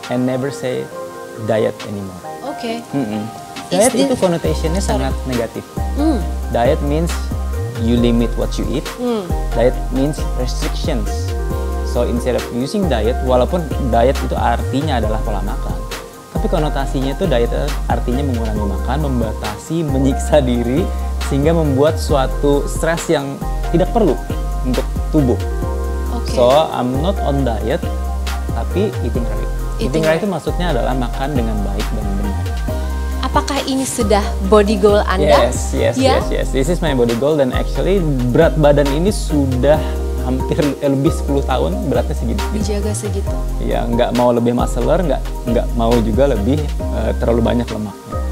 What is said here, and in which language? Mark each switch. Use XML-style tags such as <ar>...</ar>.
<en>I never say diet anymore. Okay.</en> <id>Diet itu konotasinya sangat negatif.</id> <en>Diet means you limit what you eat. Diet means restrictions. So instead of using diet,</en> <id>walaupun diet itu artinya adalah pola makan, tapi konotasinya itu diet artinya mengurangi makan, membatasi, menyiksa diri, sehingga membuat suatu stres yang tidak perlu untuk tubuh.</id> <en>So, I'm not on diet,</en> <id>tapi</id> <en>eating right.</en> <id>Eating right itu maksudnya adalah makan dengan baik dan benar. Apakah ini sudah body goal Anda?</id> <en>Yes. This is my body goal,</en> <id>dan actually berat badan ini sudah hampir lebih 10 tahun beratnya segitu. Dijaga segitu. Ya, nggak mau lebih muscular, nggak mau juga lebih terlalu banyak lemaknya.</id>